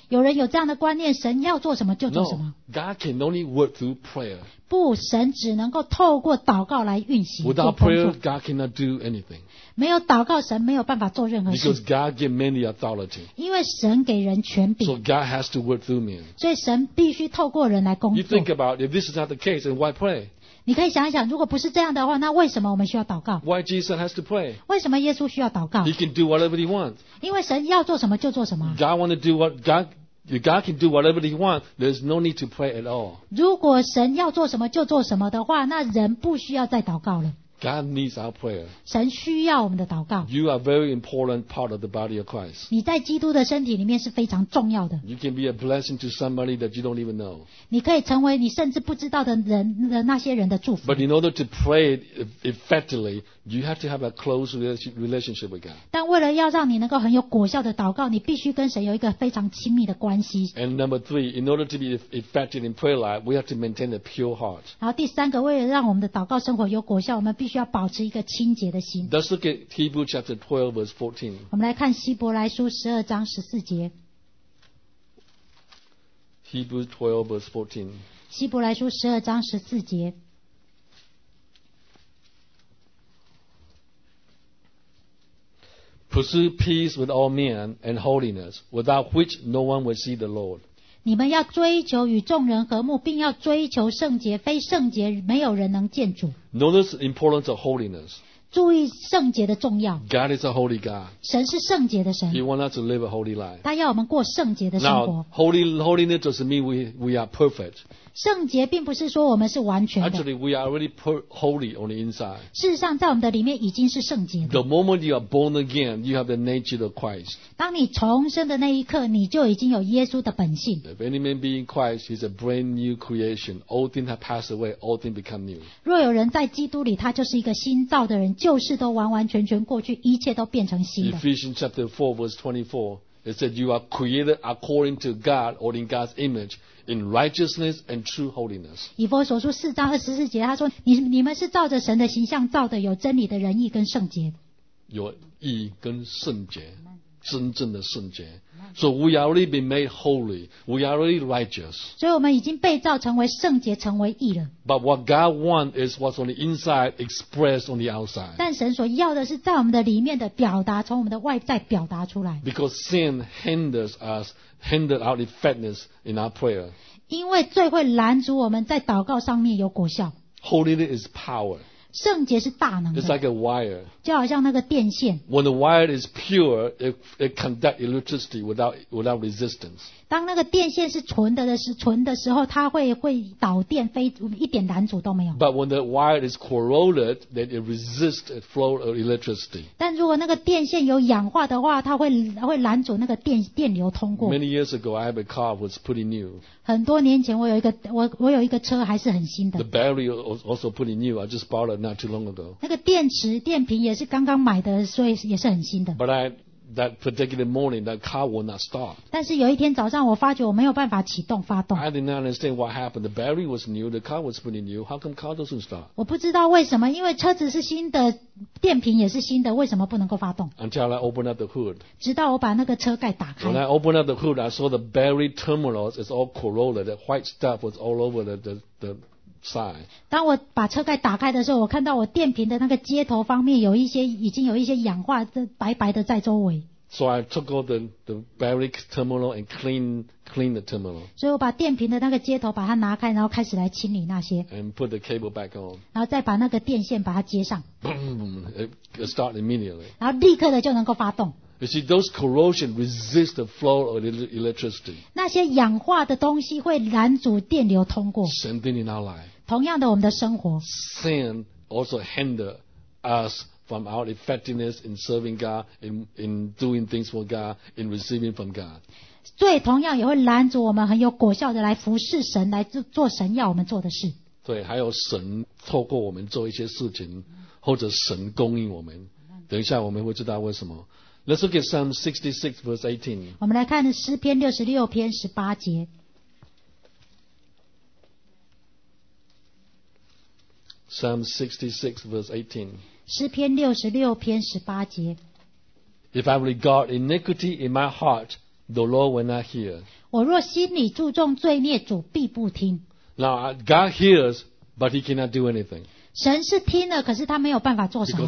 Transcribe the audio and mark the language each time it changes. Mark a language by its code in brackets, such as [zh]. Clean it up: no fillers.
[zh] 有人有这样的观念，神要做什么就做什么。 [en] No, God can only work through prayer. [zh] 不，神只能够透过祷告来运行。 [en] Without prayer, God cannot do anything. [zh] 没有祷告，神没有办法做任何事。 [en] Because God gives men the authority. [zh] 因为神给人权柄。 [en] So God has to work through men. [zh] 所以神必须透过人来工作。 [en] You think about if this is not the case, then why pray? [zh] 你可以想一想，如果不是这样的话，那为什么我们需要祷告 [en] ？Why Jesus has to pray？ [zh] 为什么耶稣需要祷告 [en] ？He can do whatever he wants。 [zh] 因为神要做什么就做什么。 [en] God want to do what God can do whatever he wants. There's no need to pray at all。 [zh] 如果神要做什么就做什么的话，那人不需要再祷告了。 [en] God needs our prayer. [zh] 神需要我们的祷告。 [en] You are a very important part of the body of Christ. [zh] 你在基督的身体里面是非常重要的。 [en] You can be a blessing to somebody that you don't even know. [zh] 你可以成为你甚至不知道的人的那些人的祝福。 [en] But in order to pray effectively, you have to have a close relationship with God. [zh] 但为了要让你能够很有果效的祷告，你必须跟神有一个非常亲密的关系。 [en] And number three, in order to be effective in prayer life, we have to maintain a pure heart. [zh] 然后第三个，为了让我们的祷告生活有果效，我们必须要保持一个清洁的心。 [en] Let's look at Hebrews chapter 12, verse 14. [zh] 我们来看希伯来书十二章十四节。 [en] Hebrews 12, verse 14. [zh] 希伯来书十二章十四节。 [en] Pursue peace with all men and holiness, without which no one will see the Lord. [zh] 你们要追求与众人和睦，并要追求圣洁，非圣洁没有人能见主。 [en] Notice the importance of holiness. [zh] 注意圣洁的重要。 [en] God is a holy God. [zh] 神是圣洁的神。 [en] He wants us to live a holy life. [zh] 他要我们过圣洁的生活。 [en] Now, holiness doesn't mean we are perfect. [zh] 圣洁并不是说我们是完全的。 [en] Actually, we are already holy on the inside. [zh] 事实上，在我们的里面已经是圣洁的。 [en] The moment you are born again, you have the nature of Christ. [zh] 当你重生的那一刻，你就已经有耶稣的本性。 [en] If any man be in Christ, he's a brand new creation. All things have passed away, all things become new. [zh] 若有人在基督里，他就是一个新造的人，旧事都完完全全过去，一切都变成新的。 [en] Ephesians chapter 4, verse 24, it said, You are created according to God, or in God's image, in righteousness and true holiness. [zh] 以弗所书四章二十四节，他说，你们是照着神的形象造的，有真理的仁义跟圣洁。有义跟圣洁，真正的圣洁。 [en] So we have already been made holy. We are already righteous. [zh] 所以我们已经被造成为圣洁，成为义了。 [en] But what God wants is what's on the inside expressed on the outside. [zh] 但神所要的是在我们的里面的表达，从我们的外在表达出来。 [en] Because sin hinders us, hinders our effectiveness in our prayer. [zh] 因为罪会拦阻我们在祷告上面有果效。 [en] Holiness is power. [zh] 圣洁是大能的。 [en] It's like a wire. [zh] 就好像那个电线。 [en] When the wire is pure, it conducts electricity without resistance. [zh] 当那个电线是纯的时候，它会导电，非一点拦阻都没有。 [en] But when the wire is corroded, then it resists the flow of electricity. [zh] 但如果那个电线有氧化的话，它会拦阻那个电流通过。 [en] Many years ago, I have a car that was pretty new. [zh] 很多年前，我有一个车还是很新的。 [en] The battery also pretty new. I just bought. Not too long ago. [zh] 那个电池电瓶也是刚刚买的，所以也是很新的。 [en] But that particular morning, that car would not start. [zh] 但是有一天早上，我发觉我没有办法发动。 [en] I did not understand what happened. The battery was new, the car was pretty new. How come car doesn't start? [zh] 我不知道为什么，因为车子是新的，电瓶也是新的，为什么不能够发动 [en] ？Until I opened up the hood. [zh] 直到我把那个车盖打开。 [en] When I opened up the hood, I saw the battery terminals is all corroded. The white stuff was all over the [zh] 当我把车盖打开的时候，我看到我电瓶的那个接头方面有一些已经有一些氧化，白白的在周围。 [en] So I took out the battery terminal and clean the terminal. [zh] 所以我把电瓶的那个接头把它拿开，然后开始来清理那些。 [en] And put the cable back on. [zh] 然后再把那个电线把它接上。 [en] Boom! It start immediately. [zh] 然后立刻的就能够发动。 [en] You see, those corrosion resist the flow of electricity. [zh] 那些氧化的东西会拦阻电流通过。 [en] Same thing in our life. [zh] 同样的，我们的生活。 [en] Sin also hinder us from our effectiveness in serving God, in doing things for God, in receiving from God. [zh] 罪同样也会拦阻我们很有果效的来服侍神，来做神要我们做的事。对，还有神透过我们做一些事情，或者神供应我们。等一下我们会知道为什么。 [en] Let's look at Psalm 66, verse 18. [zh] 我们来看诗篇六十六篇十八节。 [en] Psalm 66, verse 18. [zh] 诗篇六十六篇十八节。 [en] If I regard iniquity in my heart, the Lord will not hear. [zh] 我若心里注重罪孽，主必不听。 [en] Now God hears, but He cannot do anything. [zh] 神是听了，可是他没有办法做什么。